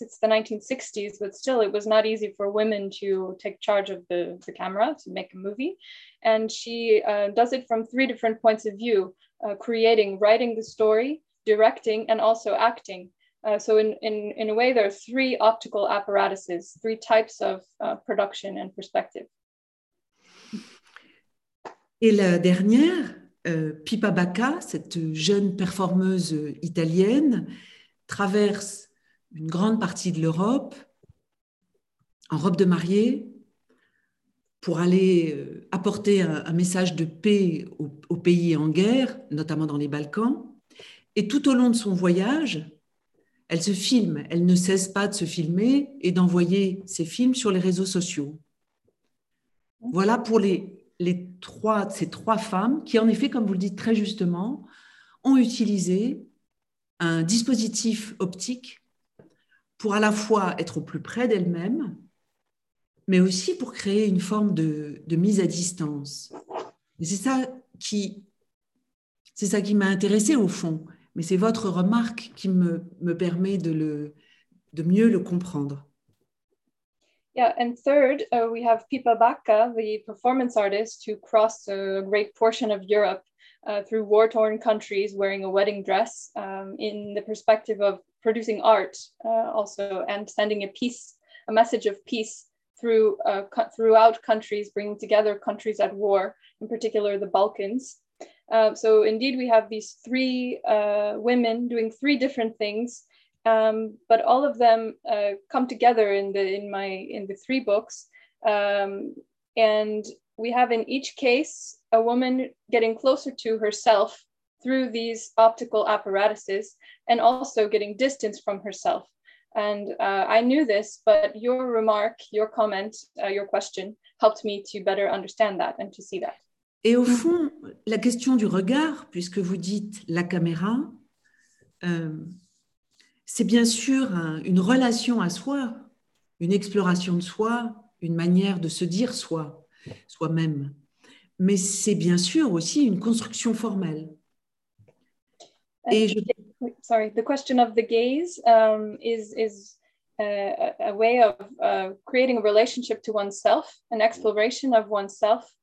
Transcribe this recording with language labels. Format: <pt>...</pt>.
<en>It's the 1960s, but still it was not easy for women to take charge of the camera to make a movie. And she does it from three different points of view, creating, writing the story, directing, and also acting. So in a way, there are three optical apparatuses, three types of production and perspective.</en> <fr>Et la dernière, Pippa Bacca, cette jeune performeuse italienne, traverse une grande partie de l'Europe en robe de mariée pour aller apporter un message de paix aux pays en guerre, notamment dans les Balkans. Et tout au long de son voyage, elle se filme, elle ne cesse pas de se filmer et d'envoyer ses films sur les réseaux sociaux. Voilà pour ces trois femmes qui, en effet, comme vous le dites très justement, ont utilisé un dispositif optique pour à la fois être au plus près d'elles-mêmes, mais aussi pour créer une forme de mise à distance. Et c'est ça qui m'a intéressée au fond. Mais c'est votre remarque qui me permet de mieux le comprendre.</fr> <en>Yeah, and third, we have Pippa Bacca, the performance artist who crossed a great portion of Europe through war-torn countries wearing a wedding dress in the perspective of producing art also and sending a message of peace throughout countries, bringing together countries at war, in particular the Balkans. So indeed, we have these three women doing three different things, but all of them come together in the three books. And we have in each case a woman getting closer to herself through these optical apparatuses and also getting distance from herself. And I knew this, but your remark, your comment, your question helped me to better understand that and to see that.</en> <fr>Et au fond, la question du regard, puisque vous dites la caméra, c'est bien sûr une relation à soi, une exploration de soi, une manière de se dire soi, soi-même. Mais c'est bien sûr aussi une construction formelle.</fr> <en>The question of the gaze is a way of creating a relationship to oneself, an exploration of oneself.</en>